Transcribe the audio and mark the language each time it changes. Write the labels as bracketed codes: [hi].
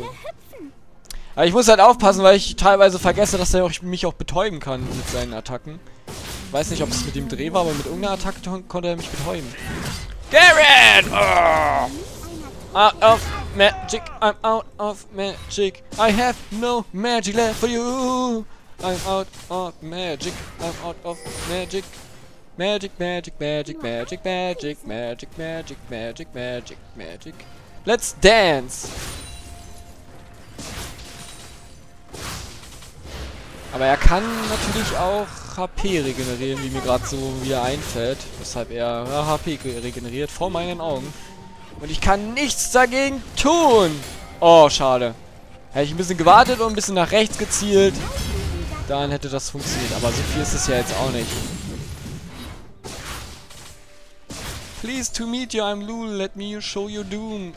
[de] Oh. Aber ich muss halt aufpassen, weil ich teilweise vergesse, dass er mich auch betäuben kann mit seinen Attacken. Ich weiß nicht, ob es mit dem Dreh war, aber mit irgendeiner Attacke konnte er mich betäuben. Garen! Oh. [en] Out of magic, I'm out of magic. I have no magic left for you. I'm out of magic. I'm out of magic. Magic, magic, magic, magic, magic, magic, magic, magic, magic, magic. Let's dance! [de] Aber er kann natürlich auch HP regenerieren, wie mir gerade so wieder einfällt. Weshalb er HP regeneriert vor meinen Augen. Und ich kann nichts dagegen tun! Oh, schade. Hätte ich ein bisschen gewartet und ein bisschen nach rechts gezielt, dann hätte das funktioniert. Aber so viel ist es ja jetzt auch nicht. [en] Please to meet you, I'm Lul, let me show you doom.